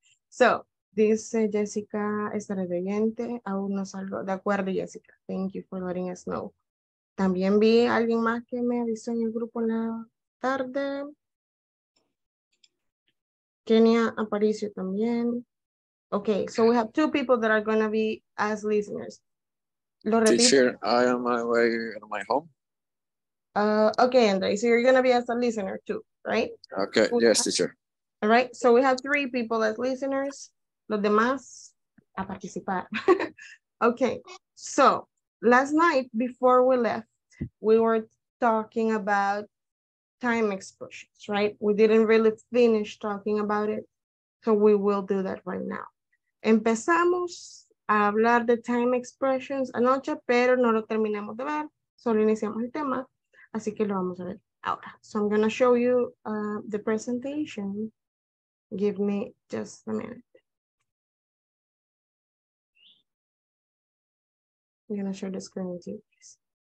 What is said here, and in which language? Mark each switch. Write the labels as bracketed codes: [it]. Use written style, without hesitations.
[es] So, dice Jessica, estaré pendiente, aún no salgo. De acuerdo, Jessica. [en] Thank you for letting us know. [es] También vi a alguien más que me avisó en el grupo en la tarde. Kenia Aparicio también. [en] Okay, so we have 2 people that are going to be as listeners. [es] ¿Lo repito? [en] Teacher, I am on my way to my home. Okay, Andre, so you're going to be as a listener too, right? Okay, yes, teacher. All right, so we have 3 people as listeners. [es] Los demás, a participar. [en] Okay, so last night before we left, we were talking about time expressions, right? We didn't really finish talking about it, so we will do that right now. [es] Empezamos a hablar de time expressions anoche, pero no lo terminamos de ver, solo iniciamos el tema, así que lo vamos a ver ahora. [en] So I'm going to show you the presentation. Give me just a minute. I'm going to share the screen with you, please.